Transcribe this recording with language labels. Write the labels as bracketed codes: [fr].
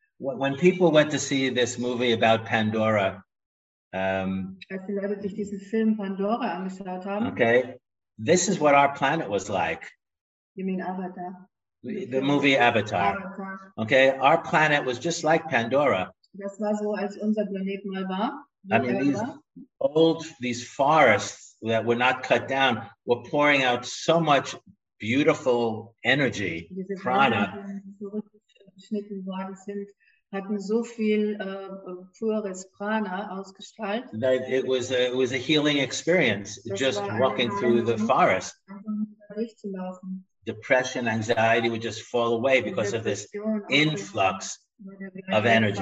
[en] When people went to see this movie about Pandora, [de] als die Leute sich diesen Film Pandora angeschaut haben. [en] Okay, this is what our planet was like. You mean Avatar? The movie Avatar. Okay, our planet was just like Pandora. [de] Das war so, als unser Planet mal war. [en] I mean, these forests that were not cut down were pouring out so much beautiful energy, [de] diese prana. Zurückgeschnitten worden sind. Hatten so viel pures Prana ausgestrahlt. [en] It was a healing experience, [de] das [en] just walking through the forest. [de] Durchzulaufen. [en] Depression, anxiety would just fall away because of this influx of energy.